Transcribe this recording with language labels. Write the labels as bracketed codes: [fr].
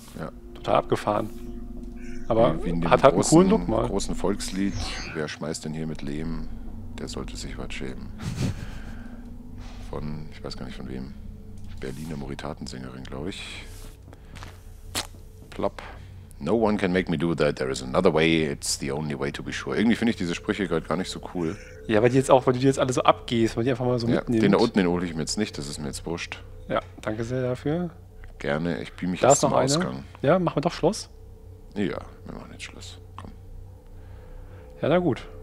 [de] Ja. Abgefahren. Aber wie in dem hat großen, einen coolen Look mal. Großen Volkslied, wer schmeißt denn hier mit Lehm, der sollte sich was schämen. Von, ich weiß gar nicht von wem, Berliner Moritatensängerin, glaube ich. Plopp. [en] No one can make me do that, there is another way, it's the only way to be sure. [de] Irgendwie finde ich diese Sprüche gerade gar nicht so cool. Ja, weil die jetzt auch, weil du die jetzt alle so abgehst, weil die einfach mal so mitnimmst. Den da unten, den hole ich mir jetzt nicht, das ist mir jetzt wurscht. Ja, danke sehr dafür. Gerne, ich beam mich da jetzt zum Ausgang. Ja, machen wir doch Schluss? Ja, wir machen jetzt Schluss. Komm. Ja, na gut.